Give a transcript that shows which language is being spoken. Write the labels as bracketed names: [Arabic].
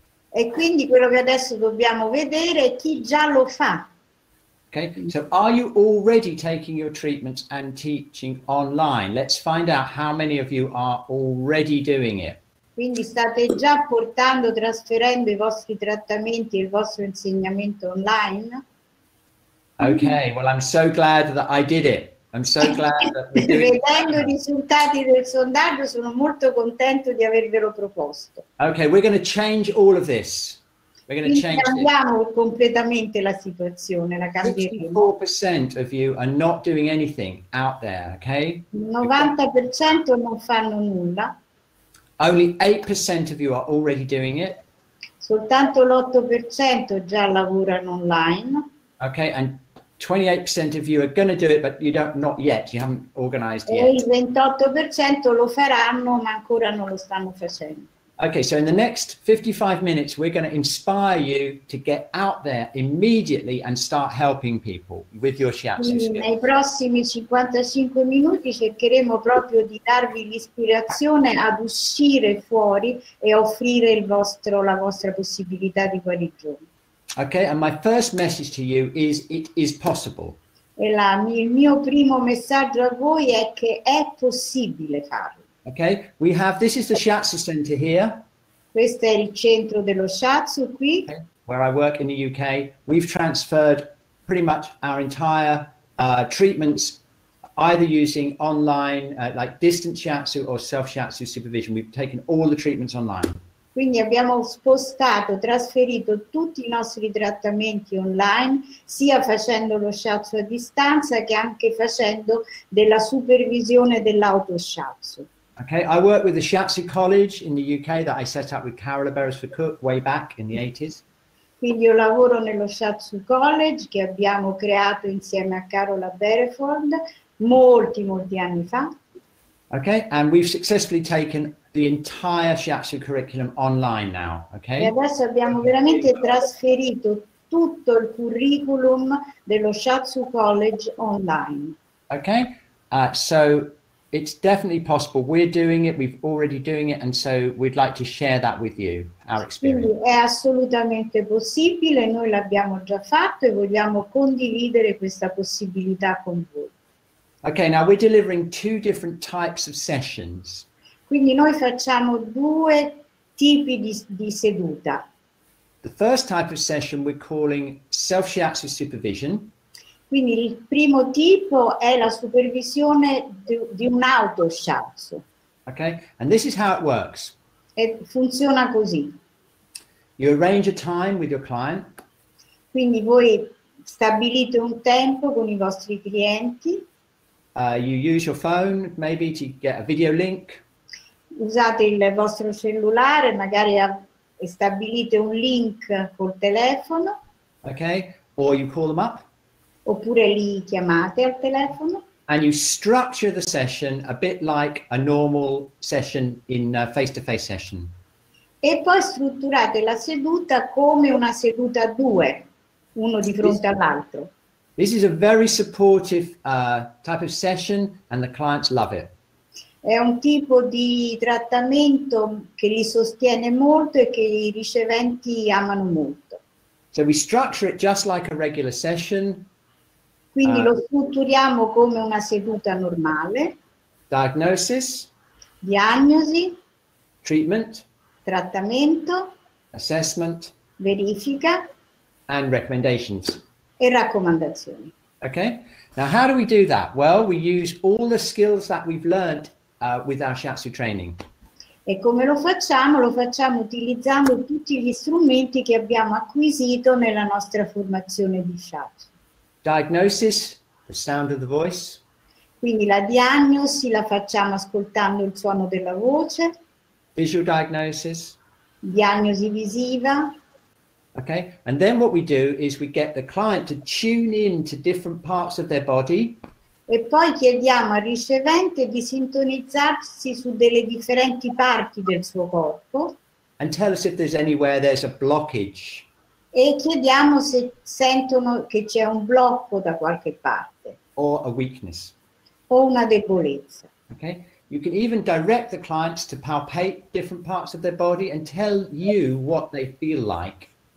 [Italian] E quindi quello che adesso dobbiamo vedere è chi già lo fa. [English] Okay, so are you already taking your treatments and teaching online? Let's find out how many of you are already doing it. [Italian] Quindi state già portando, trasferendo i vostri trattamenti e il vostro insegnamento online? [English] Okay, well, I'm so glad that I did it. I'm so glad that we're doing it. [Italian] Vedendo i risultati del sondaggio, sono molto contento di avervelo proposto. [English] Okay, we're going to change all of this. We're going to change this. [Italian] cambiamo completamente la situazione, la cambieremo. [English] 64% of you are not doing anything out there, okay? [Italian] Il 90% non fanno nulla. [English] Only 8% of you are already doing it. [Italian] Soltanto l'8% già lavorano online. [English] Okay, and 28% of you are going to do it, but you don't not yet. You haven't organized [Italian] E [English] yet. [Italian] il 28% lo faranno, ma ancora non lo stanno facendo. [English] Okay, so in the next 55 minutes, we're going to inspire you to get out there immediately and start helping people with your shiatsu [Italian] Nei [English] skills. [Italian] prossimi 55 minuti cercheremo proprio di darvi l'ispirazione ad uscire fuori e offrire il vostro, la vostra possibilità di guarigione. [English] Okay, and my first message to you is it is possible. [Italian] Il mio primo messaggio a voi è che è possibile farlo. [English] Okay, we have this is the Shiatsu Center here, [Italian] Questo è il centro dello shiatsu qui. [English] okay, where I work in the UK. We've transferred pretty much our entire treatments either using online, like distance shiatsu or self-shiatsu supervision. We've taken all the treatments online. [Italian] Quindi abbiamo spostato, trasferito tutti i nostri trattamenti online, sia facendo lo shiatsu a distanza che anche facendo della supervisione dell'autoshiatsu. [English] Okay, I work with the Shiatsu College in the UK that I set up with Carol Beresford-Cook way back in the 80s. [Italian] Quindi io lavoro nello Shiatsu College che abbiamo creato insieme a Carola Beresford molti, molti anni fa. [English] Okay, and we've successfully taken the entire Shiatsu curriculum online now, [Italian] E [English] okay? [Italian] adesso abbiamo veramente trasferito tutto il curriculum dello Shiatsu College online. [English] Okay, so it's definitely possible. We're doing it, we've already doing it, and so we'd like to share that with you, our [Italian] Quindi [English] experience. [Italian] è assolutamente possibile, noi l'abbiamo già fatto e vogliamo condividere questa possibilità con voi. [English] Okay, now we're delivering two different types of sessions. [Italian] Quindi noi facciamo due tipi di seduta. [English] The first type of session we're calling self-shiatsu supervision. [Italian] Quindi il primo tipo è la supervisione di un autoshiatsu. [English] Okay, and this is how it works. [Italian] E funziona così. [English] You arrange a time with your client. [Italian] Quindi voi stabilite un tempo con i vostri clienti, [English] You use your phone, maybe, to get a video link. [Italian] usate il vostro cellulare, magari stabilite un link col telefono, [English] Okay, or you call them up. [Italian] oppure li chiamate al telefono. [English] And you structure the session a bit like a normal session in a face-to-face session. [Italian] E poi strutturate la seduta come una seduta a due, uno di [English] This [Italian] fronte all'altro. [English] is a very supportive type of session, and the clients love it. [Italian] È un tipo di trattamento che li sostiene molto e che i riceventi amano molto. [English] So we structure it just like a regular session. [Italian] Quindi lo strutturiamo come una seduta normale. [English] Diagnosis, [Italian] Diagnosi. [English] treatment, [Italian] Trattamento, [English] assessment, [Italian] verifica [English] and recommendations. [Italian] e raccomandazioni. [English] Okay, now how do we do that? Well, we use all the skills that we've learned with our shiatsu training. [Italian] E come lo facciamo? Lo facciamo utilizzando tutti gli strumenti che abbiamo acquisito nella nostra formazione di shiatsu. [English] Diagnosis, the sound of the voice. [Italian] Quindi la diagnosi la facciamo ascoltando il suono della voce. [English] Visual diagnosis. [Italian] Diagnosi visiva, [English] Okay, and then what we do is we get the client to tune in to different parts of their body. [Italian] E poi chiediamo al ricevente di sintonizzarsi su delle differenti parti del suo corpo. [English] And tell us if there's anywhere there's a blockage. [Italian] E chiediamo se sentono che c'è un blocco da qualche parte. [English] Or a weakness. [Italian] O una debolezza. [English] Okay. You can even direct the clients to palpate different parts of their body and tell you what they feel like.